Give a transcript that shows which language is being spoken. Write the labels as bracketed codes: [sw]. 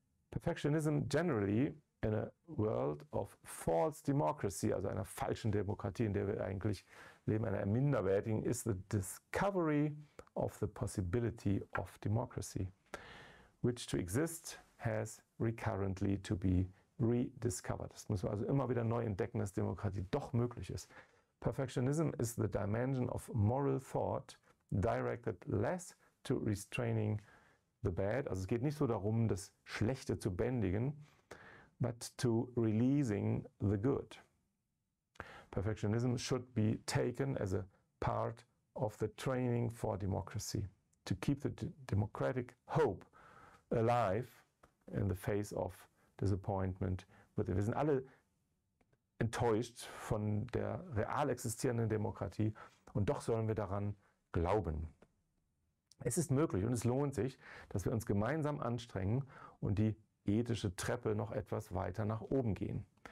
[en] Perfectionism generally in a world of false democracy, [de] also einer falschen Demokratie, in der wir eigentlich leben, einer minderwertigen, [en] is the discovery of the possibility of democracy, which to exist has recurrently to be rediscovered. [de] Das muss man also immer wieder neu entdecken, dass Demokratie doch möglich ist. [en] Perfectionism is the dimension of moral thought directed less to restraining the bad. [de] Also es geht nicht so darum, das Schlechte zu bändigen, [en] but to releasing the good. Perfectionism should be taken as a part of the training for democracy, to keep the democratic hope alive in the face of disappointment. [de] Wir sind alle enttäuscht von der real existierenden Demokratie und doch sollen wir daran glauben. Es ist möglich und es lohnt sich, dass wir uns gemeinsam anstrengen und die ethische Treppe noch etwas weiter nach oben gehen.